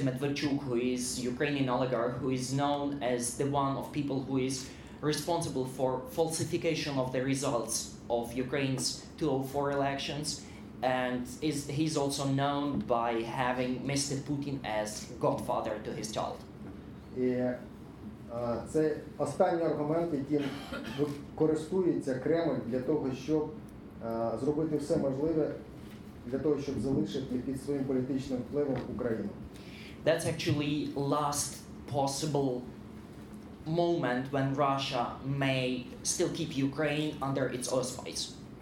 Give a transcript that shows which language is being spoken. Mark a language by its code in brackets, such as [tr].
[en] Medvedchuk, who is Ukrainian oligarch, who is known as the one of people who is responsible for falsification of the results of Ukraine's 2004 elections, and he's also known by having Mr. Putin as godfather to his child. [uk] І це останній аргумент, яким користується Кремль для того, щоб зробити все можливе для того, щоб залишити під своїм політичним впливом Україну. [en] That's actually last possible moment when Russia may still keep Ukraine under its auspices.